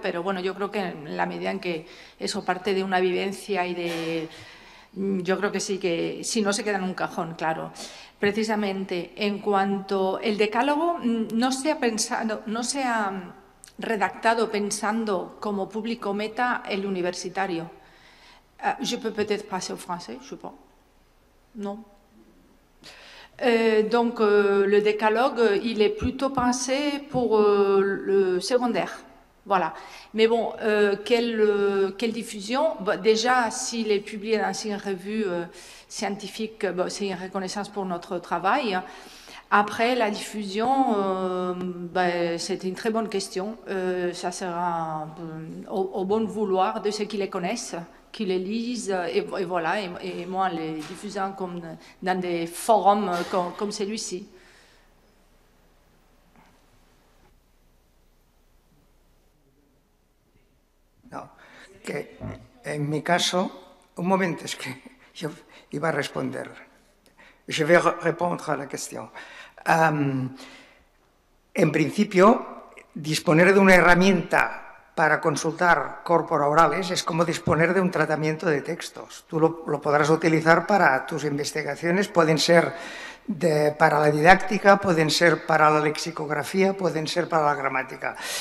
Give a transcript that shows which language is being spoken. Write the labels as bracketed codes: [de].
[es] Pero bueno, yo creo que en la medida en que eso parte de una vivencia y de… yo creo que sí, que si no se queda en un cajón, claro. Precisamente, en cuanto el decálogo no se ha pensado, no se ha redactado pensando como público meta el universitario. [fr] Je peux peut-être passer au français, je pense. Non. Donc, le décalogue, il est plutôt pensé pour le secondaire. Voilà. Mais bon, quelle diffusion? Bah, déjà, s'il est publié dans une revue scientifique, bah, c'est une reconnaissance pour notre travail. Après, la diffusion, bah, c'est une très bonne question. Ça sera au bon vouloir de ceux qui les connaissent, qui les lisent, et voilà, et moi, les diffusant comme dans des forums comme celui-ci. [es] Que en mi caso, un momento, es que yo iba a responder. [fr] Je vais répondre a la question. [es] En principio, disponer de una herramienta para consultar corpora orales es como disponer de un tratamiento de textos. Tú lo podrás utilizar para tus investigaciones, pueden ser para la didáctica, pueden ser para la lexicografía, pueden ser para la gramática.